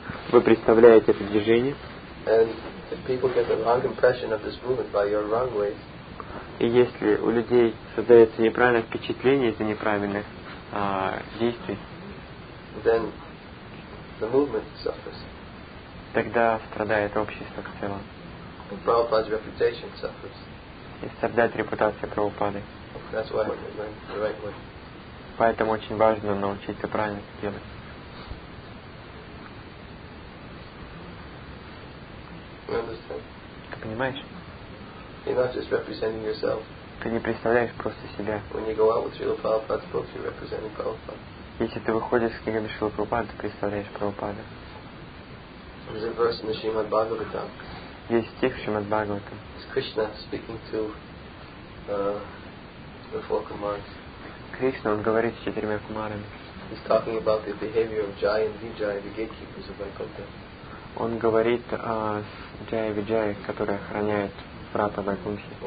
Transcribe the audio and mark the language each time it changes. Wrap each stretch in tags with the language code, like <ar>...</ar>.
<ru>Вы представляете это движение.</ru> <en>And people get the wrong impression of this movement by your wrong ways.</en> <ru>И если у людей создается неправильное впечатление из-за неправильных действий,</ru> <en>then the movement suffers.</en> <ru>Тогда страдает общество в целом.</ru> <en>And Prabhupada's reputation suffers.</en> <ru>И страдает репутация Прабхупады.</ru> <en>That's why we learn the right way.</en> <ru>Поэтому очень важно научиться правильно это делать. Ты понимаешь?</ru> <en>You're not just representing yourself.</en> <ru>Ты не представляешь просто себя.</ru> <en>When you go out with Srila Prabhupada's books, you're representing Prabhupada.</en> <ru>Если ты выходишь с книгами Шрилы Прабхупады, ты представляешь Прабхупада.</ru> <en>There's a verse in the Srimad Bhagavatam.</en> <ru>Есть стих в Шримад Бхагаватам.</ru> <en>It's Krishna speaking to the four kumaras.</en> <ru>Кришна, он говорит с четырьмя кумарами.</ru> <en>He's talking about the behavior of Jaya and Vijaya, the gatekeepers of Vaikuntha.</en> <ru>Он говорит о Джая и Виджая, которые охраняют врата Вайкунтхи.</ru>